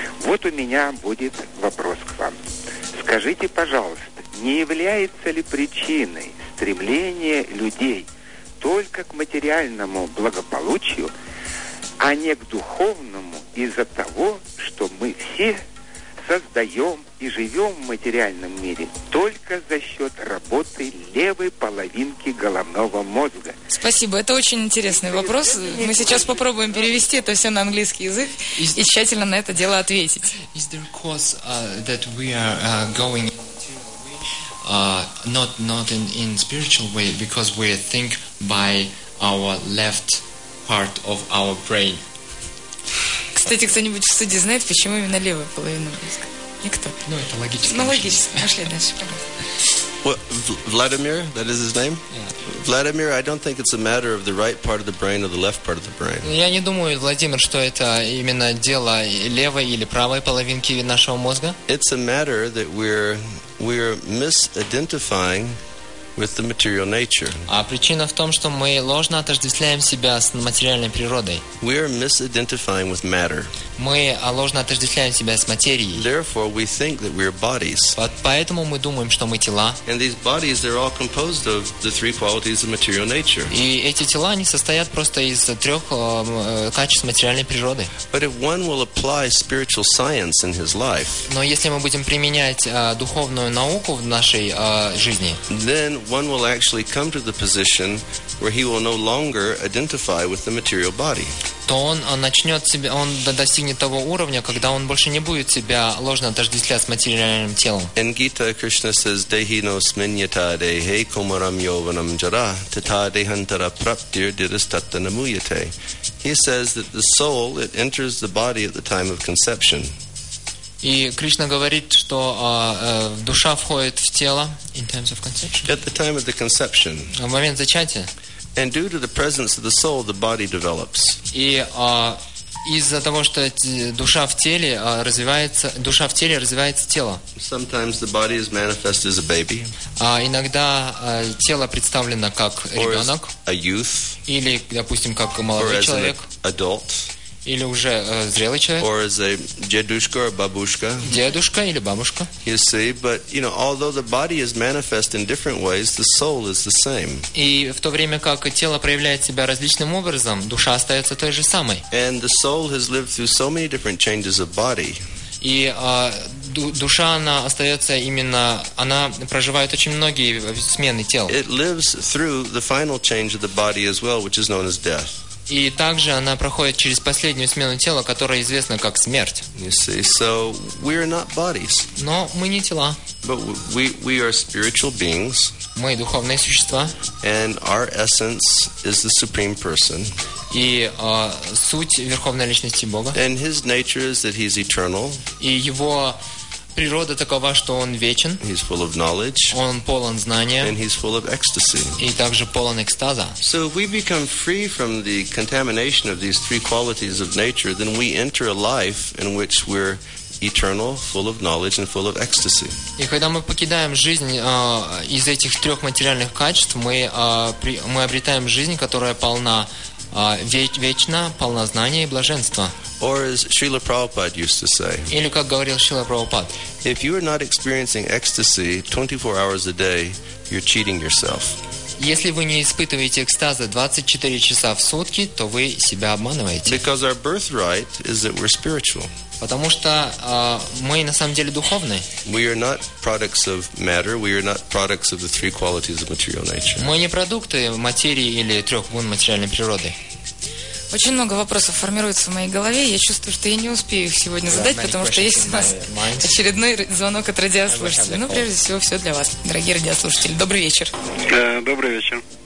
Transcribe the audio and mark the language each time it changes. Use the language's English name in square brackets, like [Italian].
[Russian] Вот у меня будет вопрос к вам. Скажите, пожалуйста, не является ли причиной стремления людей только к материальному благополучию, а не к духовному из-за того, что мы все создаем и живем в материальном мире только за счет работы левой половинки головного мозга? Спасибо, это очень интересный вопрос. Мы сейчас попробуем перевести это все на английский язык и тщательно на это дело ответить. [English] Is there a cause that we are going to not in spiritual way because we think by our left part of our brain. [Russian] Кстати, кто-нибудь в студии знает, почему именно левая половина мозга? Никто. Ну, это логично. Ну, логично. Пошли дальше, пожалуйста. [English] Vladimir, that is his name? Yeah. Vladimir, I don't think it's a matter of the right part of the brain or the left part of the brain. [Russian] Я не думаю, Владимир, что это именно дело левой или правой половинки нашего мозга. [English] It's a matter that we're misidentifying with the material nature. [Russian] А причина в том, что мы ложно отождествляем себя с материальной природой. [English] We are misidentifying with matter. [Russian] Мы ложно отождествляем себя с материей. [English] Therefore, we think that we are bodies. [Russian] Вот поэтому мы думаем, что мы тела. [English] And these bodies, they're all composed of the three qualities of material nature. [Russian] И эти тела, они состоят просто из трех качеств материальной природы. [English] But if one will apply spiritual science in his life, [Russian] но если мы будем применять духовную науку в нашей жизни, [English] then one will actually come to the position where he will no longer identify with the material body. [Russian] То он начнет себя, он достигнет того уровня, когда он больше не будет себя ложно отождествлять с материальным телом. [English] In Gita, Krishna says, [Sanskrit] Dehino sminyata dehe komaram yovanam jara tata dehantara praptir dirastata namuyate. [English] He says that the soul, it enters the body at the time of conception. [Russian] И Кришна говорит, что душа входит в тело [English] in terms of conception. At the time of the conception. [Russian] В момент зачатия. [English] And due to the presence of the soul, the body develops. [Russian] И Из-за того, что душа в теле развивается, душа в теле развивается тело. [English] Sometimes the body is manifest as a baby. [Russian] Иногда тело представлено как ребенок. [English] A youth. [Russian] Или, допустим, как молодой [English] or [Russian] человек. [English] As an adult. [Russian] Или уже зрелый человек. [English] Or as a [Russian] дедушка [English] or [Russian] бабушка. Дедушка или бабушка. [English] You see, but you know, although the body is manifest in different ways, the soul is the same. [Russian] И в то время как тело проявляет себя различным образом, душа остается той же самой. [English] And the soul has lived through so many different changes of body. [Russian] И душа, она остается именно, она проживает очень многие смены тел. [English] It lives through the final change of the body as well, which is known as death. [Russian] И также она проходит через последнюю смену тела, которая известна как смерть. [English] You see, so we are not bodies. [Russian] Но мы не тела. [English] But we are spiritual beings. [Russian] Мы духовные существа. [English] And our essence is the supreme person. [Russian] И суть верховной личности Бога. [English] And his nature is that he's eternal. [Russian] И его природа такова, что он вечен. [English] He's full of knowledge. [Russian] Он полон знания. [English] And he's full of ecstasy. [Russian] И также полон экстаза. [English] So if we become free from the contamination of these three qualities of nature, then we enter a life in which we're eternal, full of knowledge and full of ecstasy. [Russian] И когда мы покидаем жизнь из этих трех материальных качеств, мы обретаем жизнь, которая полна вечна, полна знания и блаженства. [English] Or as Srila Prabhupada used to say. [Russian] Или как говорил Шрила Прабхупад. [English] If you are not experiencing ecstasy 24 hours a day, you're cheating yourself. [Russian] Если вы не испытываете экстаза 24 часа в сутки, то вы себя обманываете. [English] Because our birthright is that we're spiritual. [Russian] Потому что мы на самом деле духовны. [English] We are not products of matter. We are not products of the three qualities of material nature. [Russian] Мы не продукты материи или трех гун материальной природы. Очень много вопросов формируется в моей голове. Я чувствую, что я не успею их сегодня задать, потому что есть у нас очередной звонок от радиослушателей. Ну, прежде всего, все для вас, дорогие радиослушатели. Добрый вечер. Добрый вечер.